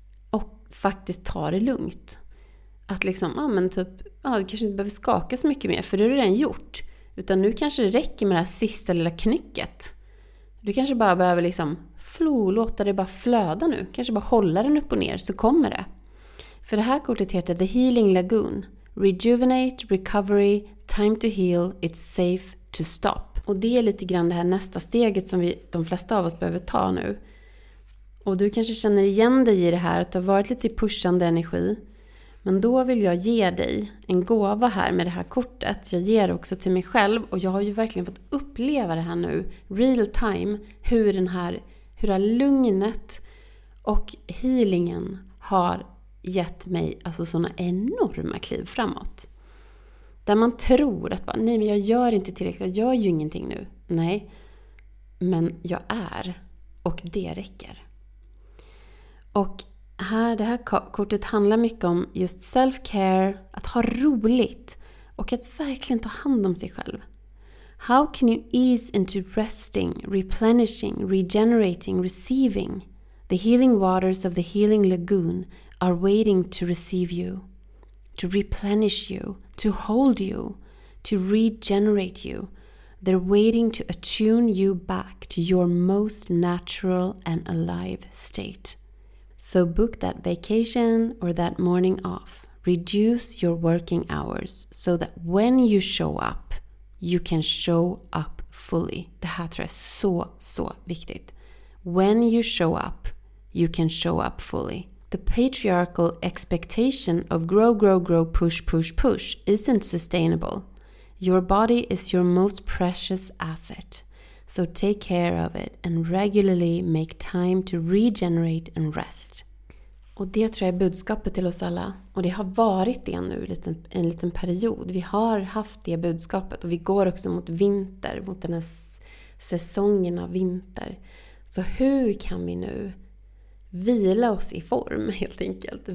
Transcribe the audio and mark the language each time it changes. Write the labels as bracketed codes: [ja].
[sv] Och faktiskt ta det lugnt. Att liksom, ja men typ, ja, du kanske inte behöver skaka så mycket mer. För det har du redan gjort. Utan nu kanske det räcker med det här sista lilla knycket. Du kanske bara behöver liksom låta det bara flöda nu. Kanske bara hålla den upp och ner så kommer det. För det här kortet heter The Healing Lagoon. [en] Rejuvenate, recovery, time to heal, it's safe to stop. [sv] Och det är lite grann det här nästa steget som vi, de flesta av oss behöver ta nu. Och du kanske känner igen dig i det här att du har varit lite pushande energi. Men då vill jag ge dig en gåva här med det här kortet. Jag ger också till mig själv och jag har ju verkligen fått uppleva det här nu. [en] Real time, [sv] hur det här lugnet och healingen har gett mig alltså såna enorma kliv framåt. Där man tror att bara, nej men jag gör inte tillräckligt, jag gör ju ingenting nu. Nej, men jag är och det räcker. Och här, det här kortet handlar mycket om just self-care, att ha roligt och att verkligen ta hand om sig själv. [en] How can you ease into resting, replenishing, regenerating, receiving? The healing waters of the healing lagoon are waiting to receive you, to replenish you, to hold you, to regenerate you. They're waiting to attune you back to your most natural and alive state. So book that vacation or that morning off. Reduce your working hours so that when you show up, you can show up fully. [sv] Det här tror jag är så, så viktigt. [en] When you show up, you can show up fully. The patriarchal expectation of grow, grow, grow, push, push, push isn't sustainable. Your body is your most precious asset. So take care of it and regularly make time to regenerate and rest. [sv] Och det tror jag är budskapet till oss alla. Och det har varit det nu en liten period. Vi har haft det budskapet och vi går också mot vinter, mot den här säsongen av vinter. Så hur kan vi nu vila oss i form helt enkelt?